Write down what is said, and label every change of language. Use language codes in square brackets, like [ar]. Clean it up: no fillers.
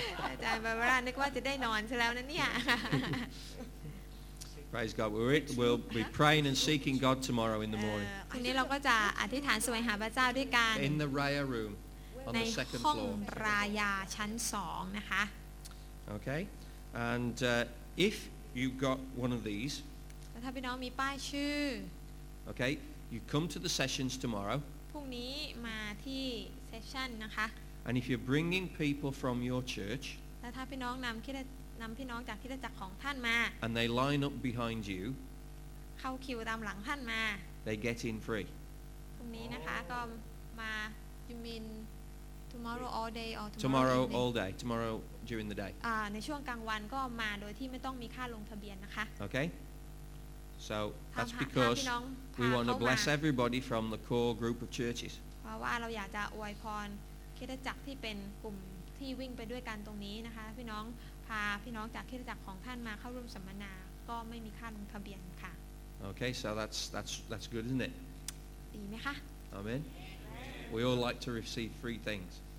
[th] อาจารย์บาบารานึกว่าจะได้นอนซะแล้วนะเนี่ย [en] Praise God we'll be praying and seeking God tomorrow in the morning [th] วันนี้เราก็จะอธิษฐานแสวงหาพระเจ้าด้วยกัน [en] In the Raya room on the second floor [th] ในห้องรายาชั้น 2นะคะ [en] Okay, and if you've got one of these, [th] ถ้าพี่น้องมีป้ายชื่อ [en] Okay, you come to the sessions tomorrow. [th] พรุ่งนี้มาที่ session นะคะ [en] And if you're bringing people from your church, [th] แล้วถ้าพี่น้องนำพี่น้องจากที่ได้จากของท่านมา [en] And they line up behind you, [th] เข้าคิวตามหลังท่านมา [en] They get in free. [th] พรุ่งนี้นะคะก็มา [en] You mean tomorrow all day or tomorrow all day tomorrow during the day [th] ในช่วงกลางวันก็มาโดยที่ไม่ต้องมีค่าลงทะเบียนนะคะ [en] okay so that's because we want to bless everybody from the core group of churches [th] เพราะว่าเราอยากจะอวยพรคริสตจักรที่เป็นกลุ่มที่วิ่งไปด้วยกันตรงนี้นะคะพี่น้องพาพี่น้องจากคริสตจักรของท่านมาเข้าร่วมสัมมนาก็ไม่มีค่าลงทะเบียนค่ะ [en] okay so that's good isn't it [th] ดีมั้ยคะ [en] amen we all like to receive free things